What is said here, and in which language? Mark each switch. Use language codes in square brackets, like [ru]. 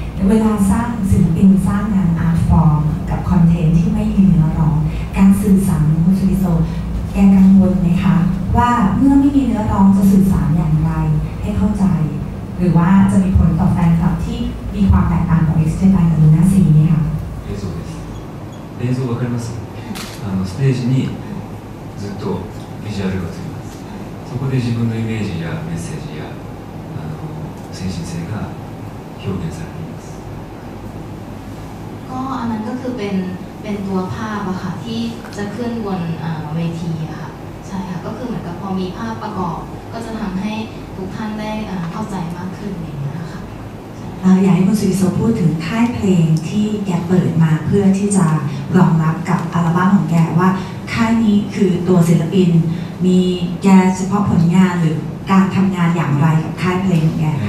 [th] เวลาสร้างศิลปินสร้างงานอาร์ตฟอร์มกับคอนเทนต์ที่ไม่มีเนื้อร้องการสื่อสารของคุณซูกิโซแกกังวลไหมคะ ว่าเมื่อไม่มีเนื้อร้องจะสื่อสารอย่างไรให้เข้าใจหรือว่าจะมีผลต่อแฟนคลับที่มีความแตกต่างของ XJ กับลูน่าซีนี่ค่ะ [ja] 映像です映像わかりますステージにずっとビジュアルがついますそこで自分のイメージやメッセージや精神性が表現されています [th] ก็อันนั้นก็คือเป็นตัวภาพอะค่ะที่จะขึ้นบนเวทีอะค่ะใช่ค่ะก็คือเหมือนกับพอมีภาพประกอบก็จะทำให้ทุกท่านได้เข้าใจมากขึ้นอย่างนี้นะคะ เราอยากให้คุณสุริโสพูดถึงค่ายเพลงที่แกเปิดมาเพื่อที่จะรองรับกับอัลบั้มของแกว่าค่ายนี้คือตัวศิลปินมีแกเฉพาะผลงานหรือการทำงานอย่างไรกับค่ายเพลงของแก